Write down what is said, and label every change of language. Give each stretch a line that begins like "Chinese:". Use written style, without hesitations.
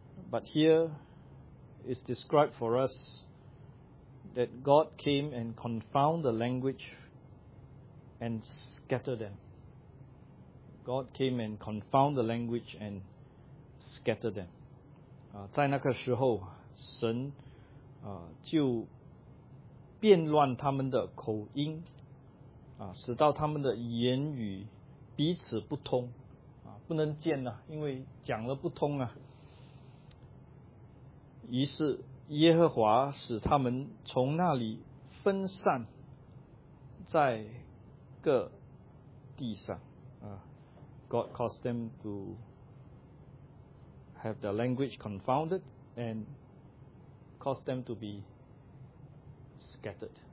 English: But here it's described for us that God came and confounded the language and scattered them. God came and confounded the language and scattered them.
Chinese: 在那个时候神就变乱他们的口音使到他们的言语彼此不通不能见了，因为讲了不通啊。于是耶和华使他们从那里分散在各地上 God caused them to
English: have their language confounded and caused them to be scattered